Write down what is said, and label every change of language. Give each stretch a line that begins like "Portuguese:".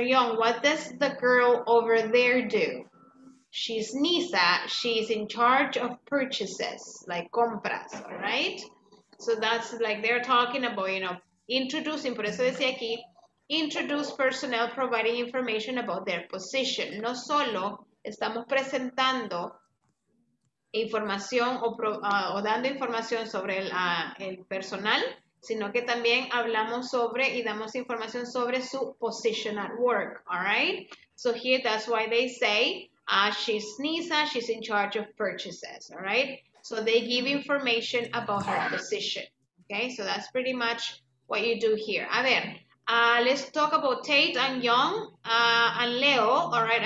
English: Yong, what does the girl over there do? She's Nisa. She's in charge of purchases, like compras, all right? So that's like they're talking about, you know, introducing,
Spanish: por eso decía aquí,
English: introduce personnel providing information about their position.
Spanish: No solo estamos presentando información o dando información sobre el personal, sino que también hablamos sobre y damos información sobre su
English: position at work, all right? So here, that's why they say, she's Nisa, she's in charge of purchases, all right? So they give information about her position, okay? So that's pretty much what you do here.
Spanish: A ver,
English: let's talk about Tate and Young and Leo, all right?